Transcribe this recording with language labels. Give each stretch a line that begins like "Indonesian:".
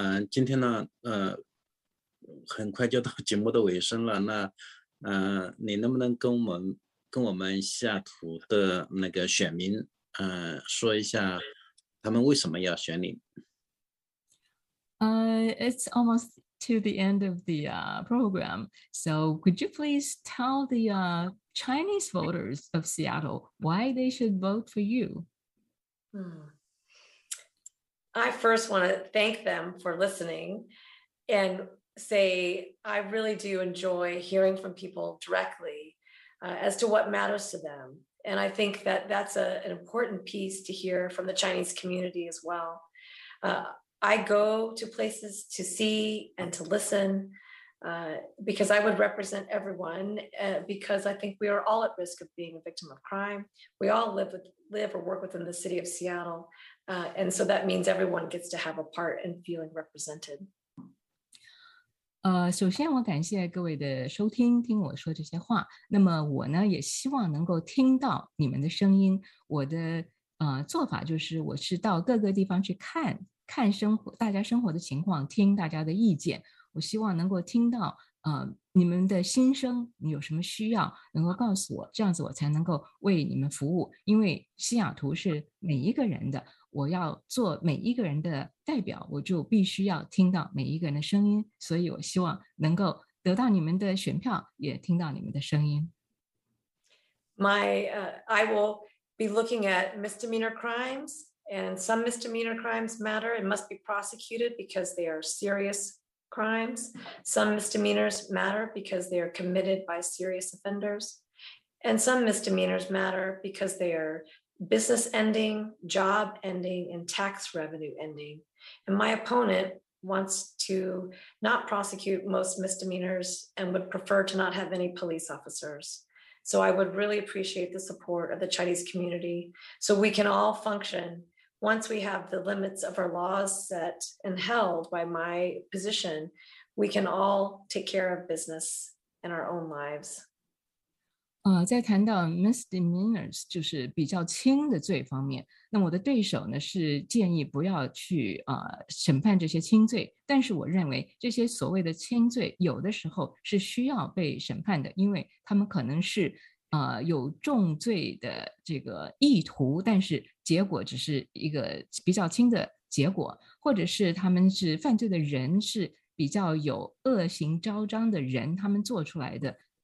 Chinese: 今天呢，很快就到节目的尾声了，那你能不能跟我们西雅图的那个选民说一下他们为什么要选你？
English: It's almost to the end of the program. So could you please tell the Chinese voters of Seattle why they should vote for you? I first want to thank them for listening and say I really do enjoy hearing from people directly as to what matters to them. And I think that that's an important piece to hear from the Chinese community as well. I go to places to see and to listen because I would represent everyone because I think we are all at risk of being a victim of crime. We all live or work within the city of Seattle. And so that means everyone gets to have a part in feeling represented.
Chinese: 首先我感谢各位的收听，听我说这些话。那么我呢，也希望能够听到你们的声音。我的做法就是，我是到各个地方去看看生活，大家生活的情况，听大家的意见。我希望能够听到你们的心声，你有什么需要能够告诉我，这样子我才能够为你们服务。因为西雅图是每一个人的，我要做每一个人的代表，我就必须要听到每一个人的声音，所以我希望能够得到你们的选票，也听到你们的声音。
English: I will be looking at misdemeanor crimes, and some misdemeanor crimes matter and must be prosecuted because they are serious crimes. Some misdemeanors matter because they are committed by serious offenders, and some misdemeanors matter because they are business ending, job ending, and tax revenue ending. And my opponent wants to not prosecute most misdemeanors and would prefer to not have any police officers. So I would really appreciate the support of the Chinese community so we can all function once we have the limits of our laws set and held by my position. We can all take care of business in our own lives.
Chinese: 在谈到 misdemeanors 就是比较轻的罪方面，那我的对手呢是建议不要去审判这些轻罪，但是我认为这些所谓的轻罪有的时候是需要被审判的，因为他们可能是有重罪的这个意图，但是结果只是一个比较轻的结果，或者是他们是犯罪的人是比较有恶行昭彰的人，他们做出来的